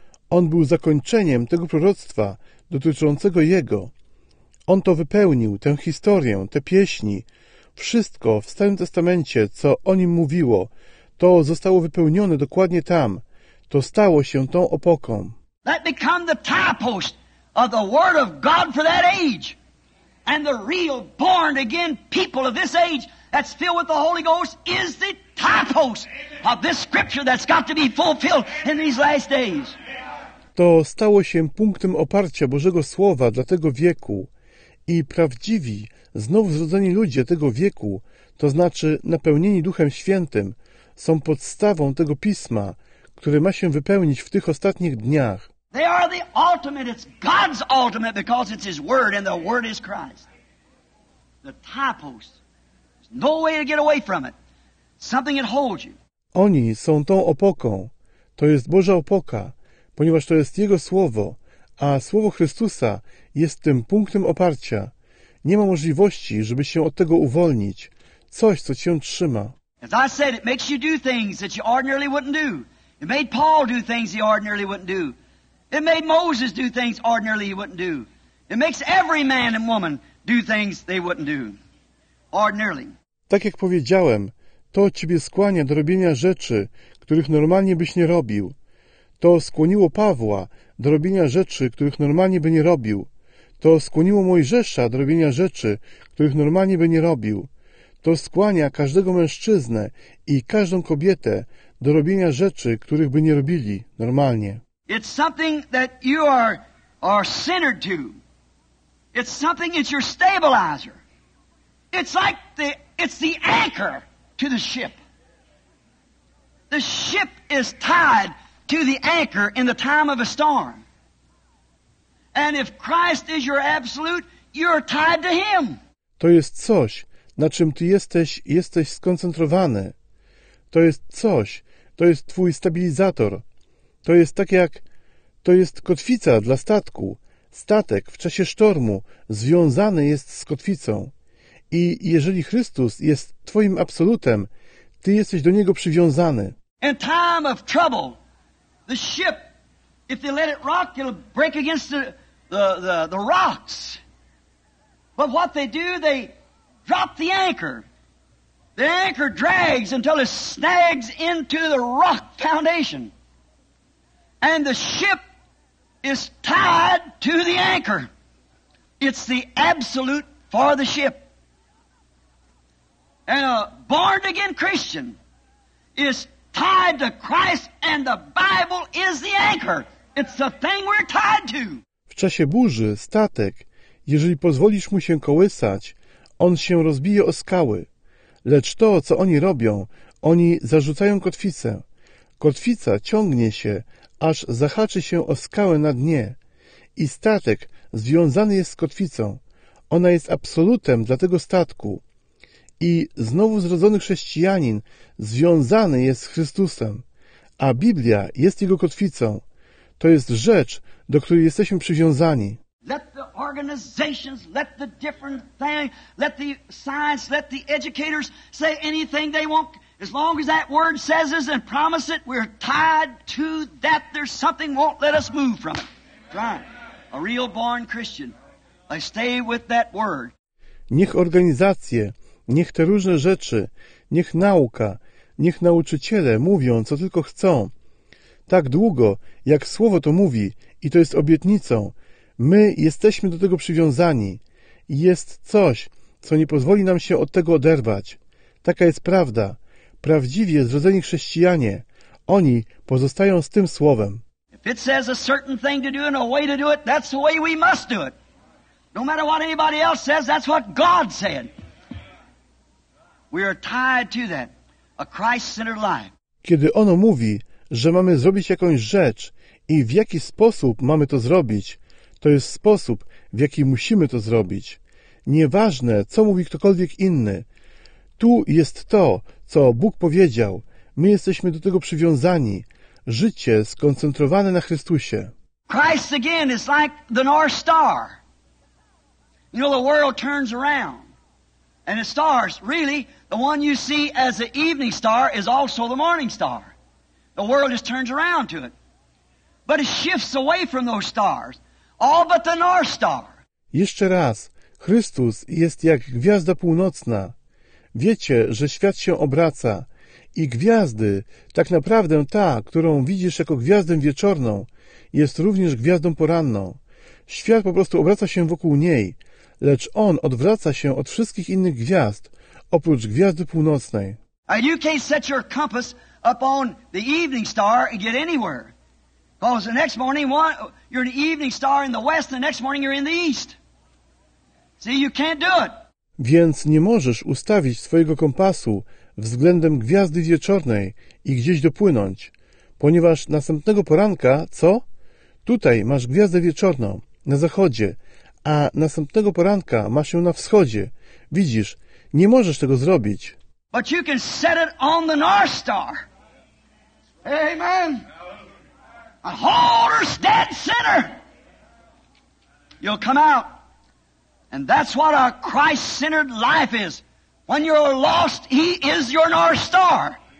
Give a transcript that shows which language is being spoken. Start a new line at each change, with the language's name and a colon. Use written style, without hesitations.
Polish: On był zakończeniem tego proroctwa dotyczącego jego. On to wypełnił, tę historię, te pieśni. Wszystko w Starym Testamencie, co o nim mówiło, to zostało wypełnione dokładnie tam. To stało się tą opoką.
English: That became the tie post of the word of God for that age. And the real born again people of this age that's filled with the Holy Ghost is the tie post of this scripture that's got to be fulfilled in these last days.
Polish: To stało się punktem oparcia Bożego Słowa dla tego wieku. I prawdziwi, znowu zrodzeni ludzie tego wieku, to znaczy napełnieni Duchem Świętym, są podstawą tego pisma, które ma się wypełnić w tych ostatnich dniach.
English: They are the ultimate. It's God's ultimate because it's His Word, and the Word is Christ. The typos. There's no way to get away from it. Something that holds you.
Polish: Oni są tą opoką. To jest Boża opoka, ponieważ to jest Jego Słowo, a Słowo Chrystusa jest tym punktem oparcia. Nie ma możliwości, żeby się od tego uwolnić. Coś, co cię trzyma.
English: As I said, it makes you do things that you ordinarily wouldn't do. It made Paul do things he ordinarily wouldn't do. It made Moses do things ordinarily he wouldn't do. It makes every man and woman do things they wouldn't do. Ordinarily.
Polish: Tak jak powiedziałem, to ciebie skłania do robienia rzeczy, których normalnie byś nie robił. To skłoniło Pawła do robienia rzeczy, których normalnie by nie robił. To skłoniło Mojżesza do robienia rzeczy, których normalnie by nie robił. To skłania każdego mężczyznę i każdą kobietę do robienia rzeczy, których by nie robili normalnie.
English: It's something that you are centered to. It's something that's your stabilizer. It's the anchor to the ship. The ship is tied to the anchor in the time of a storm. And if Christ is your absolute, you're tied to him.
Polish: To jest coś, na czym ty jesteś skoncentrowany. To jest coś, to jest twój stabilizator. To jest tak jak, to jest kotwica dla statku. Statek w czasie sztormu związany jest z kotwicą. I jeżeli Chrystus jest twoim absolutem, ty jesteś do niego przywiązany.
English: In time of trouble, the ship, if they let it rock, it'll break against the rocks. But what they do, they drop the anchor. The anchor drags until it snags into the rock foundation. And the ship is tied to the anchor. It's the absolute for the ship. And a born-again Christian is tied to Christ, and the Bible is the anchor. It's the thing we're tied to.
Polish: W czasie burzy statek, jeżeli pozwolisz mu się kołysać, on się rozbije o skały. Lecz to, co oni robią, oni zarzucają kotwicę. Kotwica ciągnie się, aż zahaczy się o skałę na dnie. I statek związany jest z kotwicą. Ona jest absolutem dla tego statku. I znowu zrodzony chrześcijanin związany jest z Chrystusem, a Biblia jest jego kotwicą. To jest rzecz, do której jesteśmy przywiązani.
English: Let the organizations, let the different things, let the science, let the educators say anything they want. As long as that word says it and promise it, we're tied to that. There's something won't let us move from it. Right. A real born Christian. I stay with that word.
Polish: Niech organizacje, niech te różne rzeczy, niech nauka, niech nauczyciele mówią, co tylko chcą. Tak długo, jak Słowo to mówi, i to jest obietnicą, my jesteśmy do tego przywiązani. Jest coś, co nie pozwoli nam się od tego oderwać. Taka jest prawda. Prawdziwie zrodzeni chrześcijanie, oni pozostają z tym Słowem.
English: If it says a certain thing to do and a way to do it, that's the way we must do it. No matter what anybody else says, that's what God said. We are tied to that, a Christ-centered life.
Polish: Kiedy ono mówi, że mamy zrobić jakąś rzecz i w jaki sposób mamy to zrobić, to jest sposób, w jaki musimy to zrobić. Nieważne, co mówi ktokolwiek inny. Tu jest to, co Bóg powiedział. My jesteśmy do tego przywiązani. Życie skoncentrowane na Chrystusie.
English: Christ again is like the North Star. You know, the world turns around. And the stars, really, the one you see as the evening star is also the morning star. The world just turns around to it. But it shifts away from those stars. All but the North Star.
Polish: Jeszcze raz, Chrystus jest jak gwiazda północna. Wiecie, że świat się obraca. I gwiazdy, tak naprawdę ta, którą widzisz jako gwiazdę wieczorną, jest również gwiazdą poranną. Świat po prostu obraca się wokół niej. Lecz on odwraca się od wszystkich innych gwiazd, oprócz gwiazdy północnej.
English: And you can't set your compass up on the evening star and get anywhere. Because the next morning, you're an evening star in the west, the next morning you're in the east. See, you can't do it.
Polish: Więc nie możesz ustawić swojego kompasu względem gwiazdy wieczornej i gdzieś dopłynąć, ponieważ następnego poranka, co? Tutaj masz gwiazdę wieczorną, na zachodzie, a następnego poranka masz ją na wschodzie. Widzisz, nie możesz tego zrobić.
English: But you can set it on the North Star. Amen. A hold her dead center. You'll come out. And that's what a Christ-centered life is. When you're lost, he is your North Star.